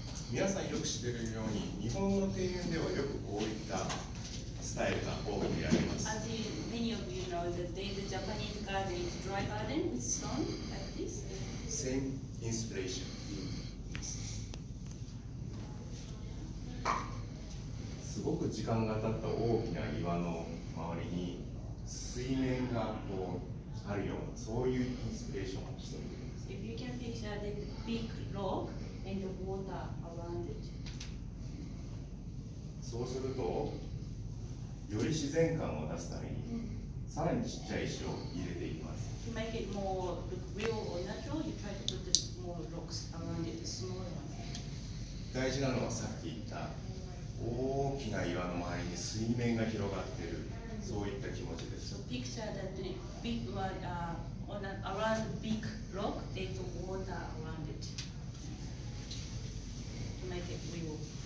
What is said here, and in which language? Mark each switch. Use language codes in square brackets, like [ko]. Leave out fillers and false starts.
[ja] 皆さんよく知ってるように、日本の庭園ではよくこういったスタイルが多く見られます。 [en] As you, many of you know, there's a Japanese garden, it's dry garden with stone like this. Same inspiration. [ja] すごく時間が経った大きな岩の周りに水面がこうあるような、そういうインスピレーションをしています。 [en] If you can picture the big rock and the water around it. [ja] そうすると、より自然感を出すためにさらにちっちゃい石を入れていきます。 [en] To make it more look real or natural, you try to put the more rocks around it, the smaller one. [ja] 大事なのはさっき言った大きな岩の周りに水面が広がっている、そういった気持ちです。 [en] So picture that big on a, around big rock, there's water around it. To make it real.